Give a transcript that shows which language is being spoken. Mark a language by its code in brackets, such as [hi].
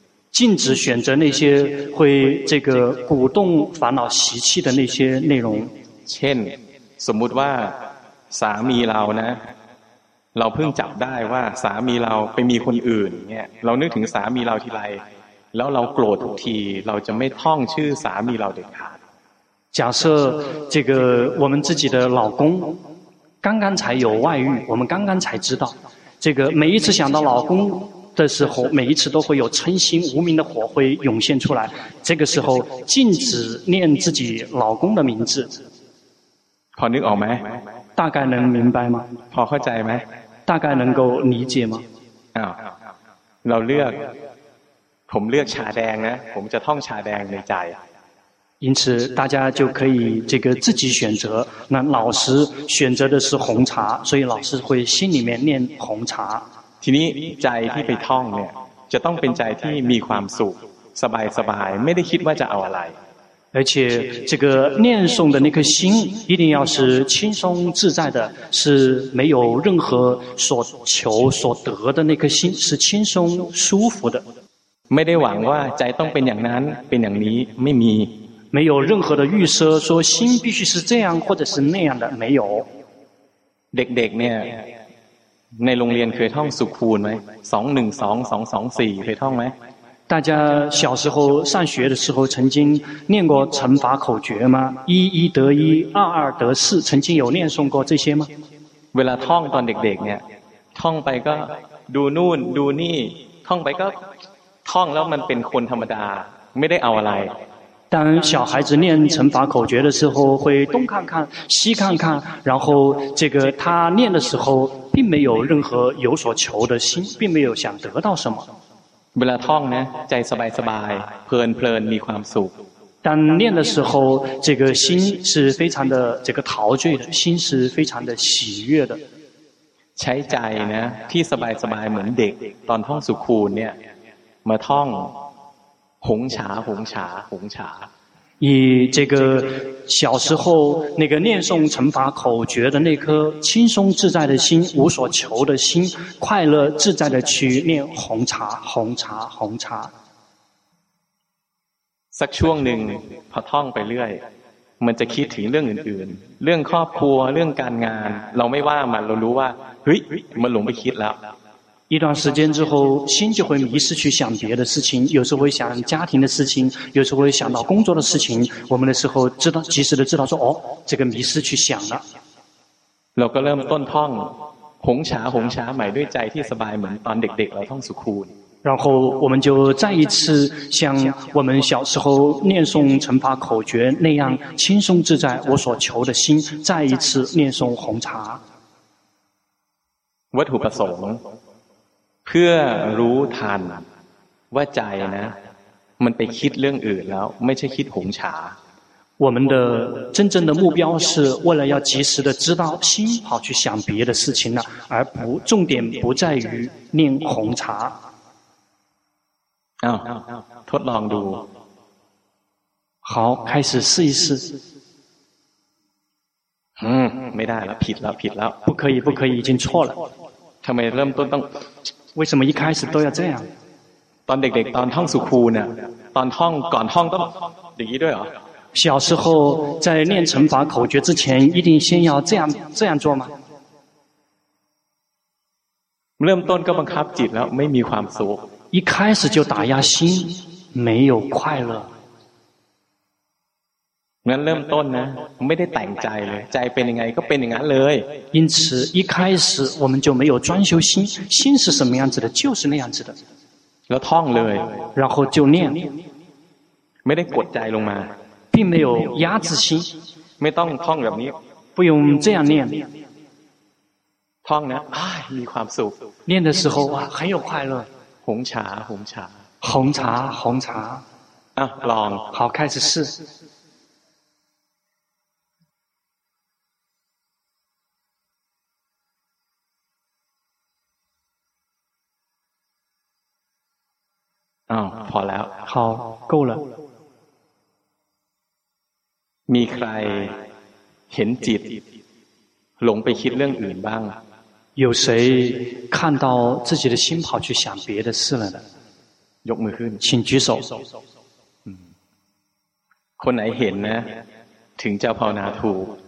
[zh] 禁止选择那些会这个鼓动烦恼习气的那些内容。 [th] 像，สมมุติว่าสามีเรานะเราเพิ่งจับได้ว่าสามีเราไปมีคนอื่นเนี่ยเรานึกถึงสามีเราทีไรแล้วเราโกรธทุกทีเราจะไม่ท่องชื่อสามีเราเด็ดขาด [zh] 假设这个我们自己的老公刚刚才有外遇我们刚刚才知道这个每一次想到老公的时候每一次都会有嗔心无明的火会涌现出来这个时候禁止念自己老公的名字 [th] พอนึกออกไหม [zh] 大概能明白吗 [th] พอเข้าใจไหม [zh] 大概能够理解吗 [th] เราเลือกผมเลือกชาแดงนะผมจะท่องชาแดงในใจ [zh] 因此大家就可以这个自己选择那老师选择的是红茶所以老师会心里面念红茶 [th] ทีนี้ใจที่ไปท่องเนี่ยจะต้องเป็นใจที่มีความสุขสบายสบายไม่ได้คิดว่าจะเอาอะไร [zh] 而且这个念诵的那颗心一定要是轻松自在的是没有任何所求所得的那颗心是轻松舒服的 [th] ไม่ได้หวังว่าใจต้องเป็นอย่างนั้นเป็นอย่างนี้ไม่มี [zh] ไม่有任何的预设说心必须是这样或者是那样的没有 [th] เด็กๆเนี่ยในโรงเรียนเคยท่องสุขูณไหมสองหนึ่งสองสองสองสี่เคยท่องไหม [zh] 大家小时候上学的时候曾经念过乘法口诀吗一一得一二二得四曾经有念诵过这些吗 [th] เวลาท่องตอนเด็กๆเนี่ยท่องไปก็ดูนู่นดูนี่ท่องไปก็ท่องแล้วมันเป็นคนธรรมดาไม่ได้เอาอะไร [zh] 当小孩子念乘法口诀的时候会东看看西看看然后这个他念的时候并没有任何有所求的心并没有想得到什么 [th] เวลาท่องนะใจสบายสบายเพลินเพลินมีความสุข [zh] 当念的时候这个心是非常的这个陶醉的心是非常的喜悦的 [th] ใช้ใจนะที่สบายสบายเหมือนเด็กตอนท่องสุขูณเนี่ยมาท่อง [zh] 红茶红茶红茶以这个小时候那个念诵乘法口诀的那颗轻松自在的心无所求的心快乐自在的去念红茶红茶红茶 [th] สักช่วงหนึ่งพอท่องไปเรื่อยมันจะคิดถึงเรื่องอื่นๆเรื่องครอบครัวเรื่องการงานเราไม่ว่ามันเรารู้ว่าเฮ้ยมันหลงไปคิดแล้ว [zh] 一段时间之后心就会迷失去想别的事情有时候会想家庭的事情有时候会想到工作的事情我们的时候知道及时的知道说哦这个迷失去想了老哥那么顿烫红茶红茶买对债替失败门当得得来烫死哭然后我们就再一次像我们小时候念诵乘法口诀那样轻松自在我所求的心再一次念诵红茶 [th] 我土不手呢เพื่อรู้ทันว่าใจนะมันไปคิดเรื่องอื่นแล้วไม่ใช่คิดหงชา [zh] 我们的真正的目标是为了要及时的知道心跑去想别的事情了而不重点不在于念红茶 [th] ทดลองดู [zh] 好开始试一试 [th] ไม่ได้แล้วผิดแล้วผิดแล้ว [zh] 不可以不可以已经错了 [th] ทำไมเริ่มต้นต้อง [en] Why some [zh] 一开始都要这样 [th] ตอนเด็กๆตอนท่องสุขูนะตอนท่องก่อนท่องต้องอย่างนี้ด้วยเหร [zh] อ小时候在念乘法口诀之前一定先要这样做吗 [th] เริ่มต้นก็บังคับจิตแล้วไม่มีความสุข [zh] 一开始就打压心没有快乐 [th] งั้นเริ่มต้นนะไม่ได้แต่งใจเลยใจเป็นยังไงก็เป็นอย่างนั้นเลย [zh] 因此一开始我们就没有专修心心是什么样子的就是那样子的 [th] แล้วท่องเลย [zh] 然后就念 [th] ไม่ได้กดใจลงมา [zh] 并没有压制心 [th] ไม่ต้องท่องแบบนี้ [zh] 不用这样念 [th] ท่องนะมีความสุข [zh] 念的时候很有快乐红茶红茶红茶红茶 [th] ลอง [zh] 好开始试 [th] พอแล้ว [zh] 好够了 [th] มีใคร ห็นจิตหลงไปคิดเรื่องอื่นบ้าง [zh] 有谁看到自己的心跑去想别的事了呢 [th] ยกมือขึ้น [zh] 请举手 [th] คนไหนเห็นนะถึงจะภาวนาถูก